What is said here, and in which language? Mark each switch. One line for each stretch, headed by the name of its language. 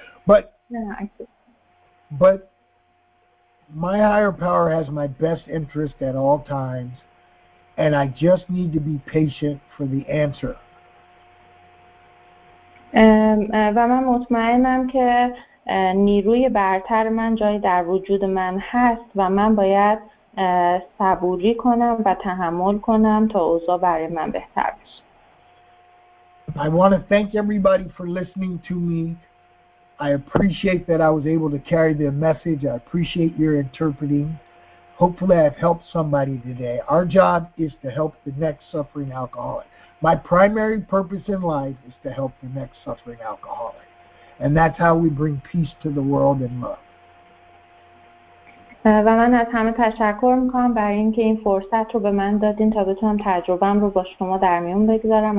English: But my higher power has my best interest at all times, and I just need to be patient for the answer.
Persian: و من مطمئنم که نیروی برتر من جای در وجود من هست و من باید صبوری کنم و تحمل کنم تا اوضاع برای من بهتر بشه.
English: I want to thank everybody for listening to me. I appreciate that I was able to carry the message. I appreciate your interpreting. Hopefully I've helped somebody today. Our job is to help the next suffering alcoholic. My primary purpose in life is to help the next suffering alcoholic. And that's how we bring peace to the world and love.
Persian: و من از همه تشکر میکنم برای اینکه این فرصت رو به من دادین تا بتونم تجربه‌ام رو با شما در میون بگذارم.